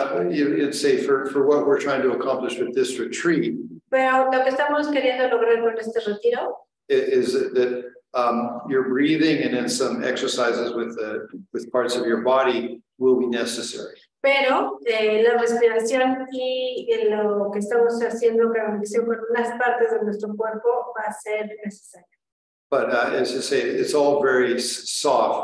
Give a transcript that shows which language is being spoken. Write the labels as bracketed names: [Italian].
[English] You'd say for what we're trying to accomplish with this retreat. [Spanish] Pero lo que estamos queriendo lograr con este retiro. [English] Is that your breathing and then some exercises with parts of your body will be necessary. [Spanish] Pero la respiración y lo que estamos haciendo con unas partes de nuestro cuerpo va a ser necesario. [English] But as you say, it's all very soft.